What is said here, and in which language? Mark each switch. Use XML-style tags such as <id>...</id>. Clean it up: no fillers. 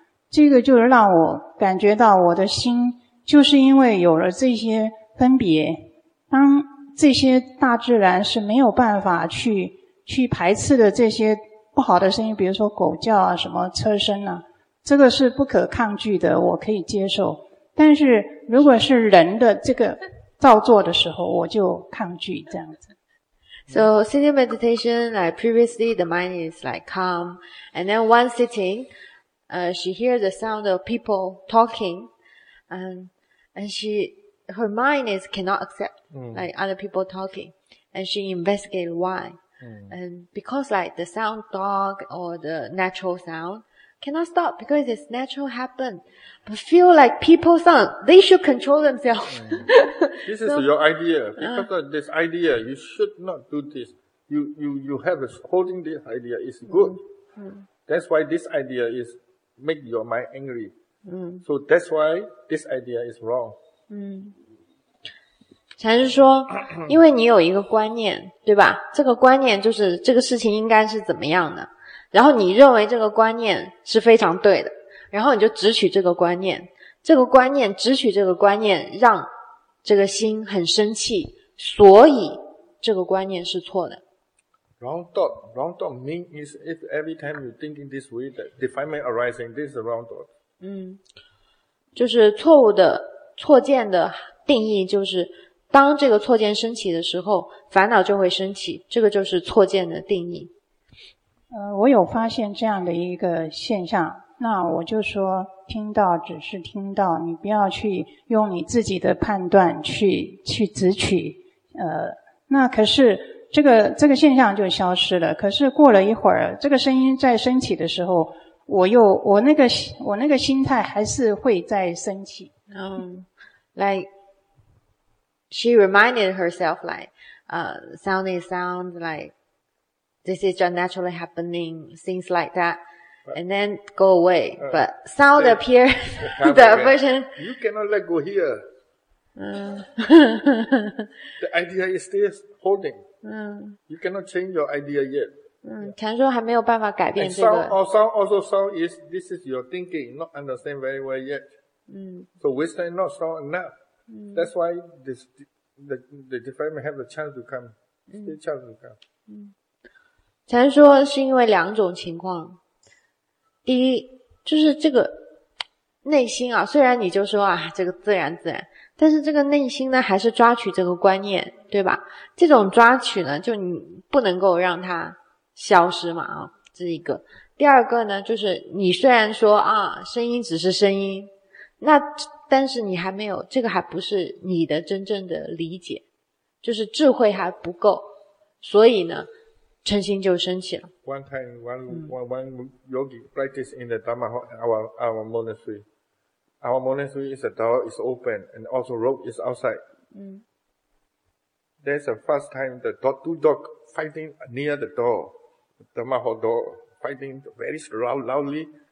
<zh>这个就让我感觉到我的心就是因为有了这些分别，当这些大自然是没有办法去排斥的这些不好的声音，比如说狗叫啊，什么车声啊，这个是不可抗拒的，我可以接受。但是如果是人的这个造作的时候，我就抗拒这样子。</zh> <en>So sitting meditation, like previously the mind is like calm, and then one sitting, she hears the sound of people talking, and she her mind is cannot accept. Like other people talking, and she investigated why. And because like the sound dog or the natural sound cannot stop because it's natural happen. But feel like people sound, they should control themselves. This is your idea. Because of this idea, you should not do this. You have holding this idea is good. That's why this idea is make your mind angry. So that's why this idea is wrong.</en> <zh>禅师说，因为你有一个观念，对吧？这个观念就是这个事情应该是怎么样的。然后你认为这个观念是非常对的，然后你就执取这个观念，这个观念执取这个观念让这个心很生气，所以这个观念是错的。</zh> <en>Wrong thought, wrong thought means is if every time you thinking this way, the defilement arising, this is a wrong thought.</en> <zh>嗯，就是错误的错见的定义就是，当这个错见升起的时候，烦恼就会升起，这个就是错见的定义。我有发现这样的一个现象，那我就说听到只是听到，你不要去用你自己的判断去执取。那可是这个现象就消失了，可是过了一会儿这个声音再升起的时候，我那个心态还是会再升起。</zh> <en>Like she reminded herself like sound is sound, likeThis is just naturally happening, things like that, and then go away. But sound appears, the aversion. You cannot let go here. The idea is still holding. You cannot change your idea yet.</en> <zh>禅说还没有办法改变这个。</zh> <en>And sound also sound is, this is your thinking, not understand very well yet. So wisdom is not strong enough. That's why the defilement have a chance to come. Still chance to come.</en> <zh>禅说是因为两种情况，第一就是这个内心啊，虽然你就说啊这个自然，但是这个内心呢还是抓取这个观念，对吧？这种抓取呢，就你不能够让它消失嘛，啊，这一个。第二个呢，就是你虽然说啊声音只是声音，那但是你还没有，这个还不是你的真正的理解，就是智慧还不够，所以呢嗔心就升起了。</zh> <en>One time, one yogi practice in the Dharma hall, our monastery. Our monastery is a door is open and also rope is outside. There's a first time the dog, two dog fighting near the door, the Dharma hall door, fighting very loudly.</en>